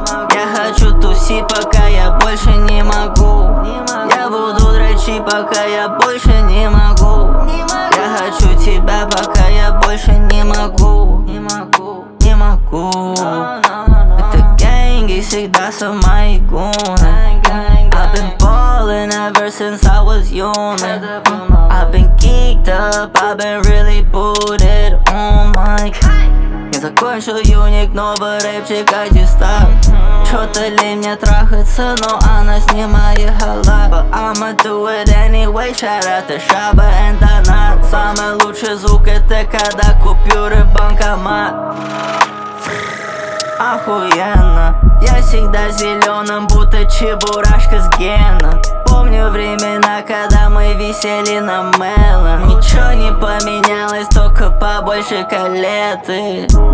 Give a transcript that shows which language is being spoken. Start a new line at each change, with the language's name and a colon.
Russian: Я хочу тусить, пока я больше не могу. Я буду дрочить, пока я больше не могу. Я хочу тебя, пока я больше не могу. Не могу. Это ганги всегда со моей гуной.
English: I've been ballin' ever since I was young. I've been geeked up, I've been really booted. Oh my god.
Russian: Я закончил юник, новый рэпчик, аттестат. Чё-то лень мне трахаться, но она снимает халат.
English: But I'ma do it anyway, shout out to Shaba and Donat.
Russian: Самый лучший звук это когда купюры в банкомат. Охуенно. Я всегда зеленым, будто чебурашка с геном. Помню времена, когда мы висели на мелон. Ничего не поменялось, только побольше калеты.